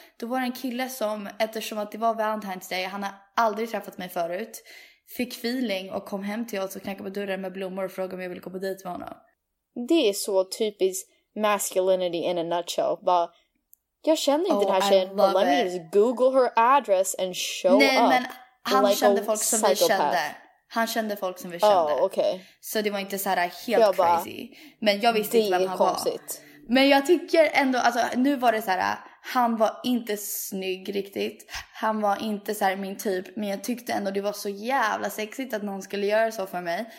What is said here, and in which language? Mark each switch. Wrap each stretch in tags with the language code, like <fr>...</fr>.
<sv>Då var det en kille som, eftersom att det var Valentine's Day, han har aldrig träffat mig förut. fick feeling och kom hem till oss och knackade på dörren med blommor och frågade om jag ville gå på dejt med honom. Det är så typiskt</sv> <en>masculinity in a nutshell.</en> <sv>Bara, jag känner inte den här tjejen.</sv> <en>But let me just Google her address and show</en> <sv>up. Nej, men han like kände folk som psychopath. Vi kände. Han kände folk som vi kände.</sv> <en>Oh, okay.</en> <sv>Så det var inte så här helt jag bara, crazy. Men jag visste inte vem han konstigt. Var. Men jag tycker ändå, alltså, nu var det så här, han var inte snygg riktigt. Han var inte så här min typ. Men jag tyckte ändå det var så jävla sexigt att någon skulle göra så för mig.</sv>